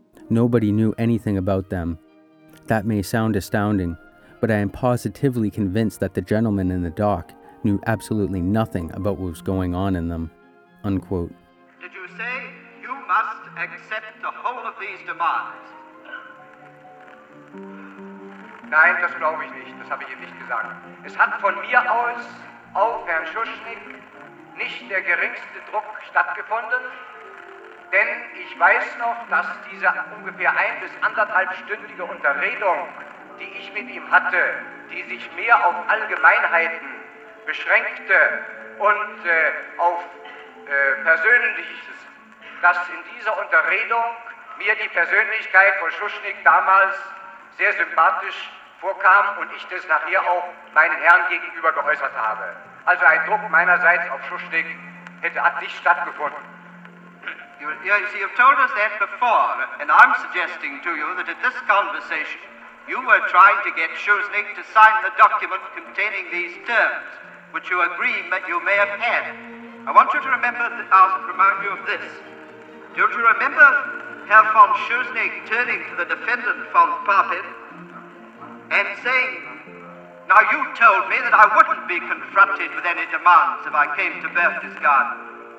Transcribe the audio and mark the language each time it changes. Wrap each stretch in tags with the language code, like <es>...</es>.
<en>Nobody knew anything about them. That may sound astounding, but I am positively convinced that the gentleman in the dock knew absolutely nothing about what was going on in them. Unquote. Did you say you must accept the whole of these demands?</en> <de>Nein, das glaube ich nicht, das habe ich ihm nicht gesagt. Es hat von mir aus, auf Herrn Schuschnigg, nicht der geringste Druck stattgefunden, denn ich weiß noch, dass diese ungefähr 1 bis 1,5-stündige Unterredung, die ich mit ihm hatte, die sich mehr auf Allgemeinheiten beschränkte und auf Persönliches, dass in dieser Unterredung mir die Persönlichkeit von Schuschnigg damals sehr sympathisch vorkam und ich das nachher auch meinen Herren gegenüber geäußert habe. Also ein Druck meinerseits auf Schuschnigg hätte nicht stattgefunden.</de> <en>You see, you've told us that before, and I'm suggesting to you that at this conversation, you were trying to get Schuschnigg to sign the document containing these terms, which you agree that you may have had. I want you to remember, remind you of this. Don't you remember Herr von Schuschnigg turning to the defendant von Papen and saying, now you told me that I wouldn't be confronted with any demands if I came to Berchtesgaden.</en>